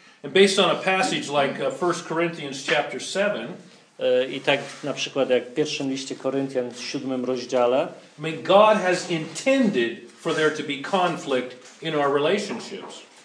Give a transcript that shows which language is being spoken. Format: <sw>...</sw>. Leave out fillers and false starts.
<en>And based on a passage like 1 Corinthians chapter 7,</en> <pl>i tak na przykład jak w pierwszym liście Koryntian w 7 rozdziale,</pl> <en>I mean, God has intended for there to be conflict in our relationships.</en>